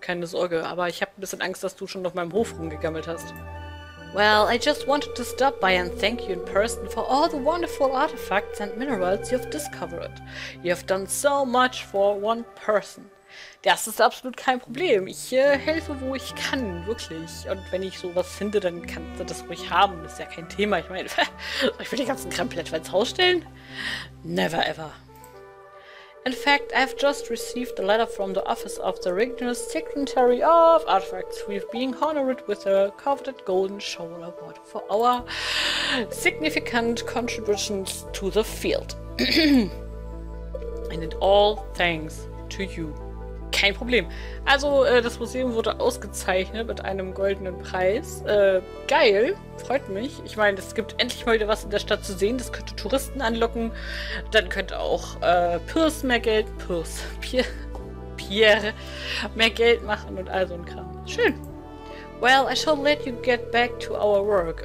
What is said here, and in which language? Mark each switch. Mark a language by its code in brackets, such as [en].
[de] Keine Sorge, aber ich habe ein bisschen Angst, dass du schon auf meinem Hof rumgegammelt hast. [en] Well, I just wanted to stop by and thank you in person for all the wonderful artifacts and minerals you've discovered. You have done so much for one person. [de] Das ist absolut kein Problem. Ich helfe, wo ich kann, wirklich. Und wenn ich sowas finde, dann kannst du das ruhig haben. Das ist ja kein Thema. Ich meine, ich will den ganzen Krempel etwa ins Haus stellen? [en] Never ever. In fact, I've just received a letter from the office of the regional secretary of artifacts. We've been honored with a coveted golden shovel award for our significant contributions to the field. And it all thanks to you. Kein Problem. [de] Also, das Museum wurde ausgezeichnet mit einem goldenen Preis. Geil. Freut mich. Ich meine, es gibt endlich mal wieder was in der Stadt zu sehen. Das könnte Touristen anlocken. Dann könnte auch Pierre mehr Geld machen und all so ein Kram. Schön. [en] Well, I shall let you get back to our work.